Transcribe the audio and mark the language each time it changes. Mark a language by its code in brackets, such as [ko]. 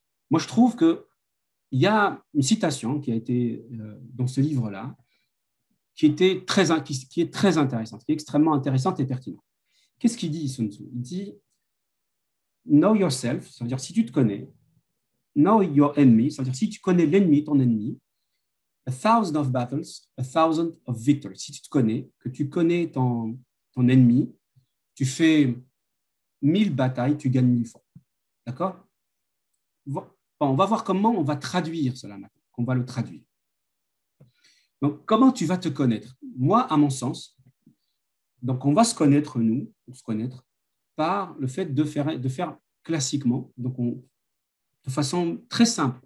[fr] Moi, je trouve que il y a une citation qui a été dans ce livre-là, qui est très intéressante, qui est extrêmement intéressante et pertinente. Qu'est-ce qu'il dit, Sun Tzu? Il dit: [en] Know yourself, [fr] c'est-à-dire si tu te connais. [en] Know your enemy, [fr] c'est-à-dire si tu connais l'ennemi, ton ennemi. [en] A thousand of battles, a thousand of victories. [fr] Si tu te connais, que tu connais ton ennemi, tu fais 1 000 batailles, tu gagnes 1 000 fois. D'accord? Bon, on va voir comment on va traduire cela maintenant, qu'on va le traduire. Donc, comment tu vas te connaître? Moi, à mon sens, donc on va se connaître, nous, on se connaître par le fait de faire classiquement, donc de façon très simple.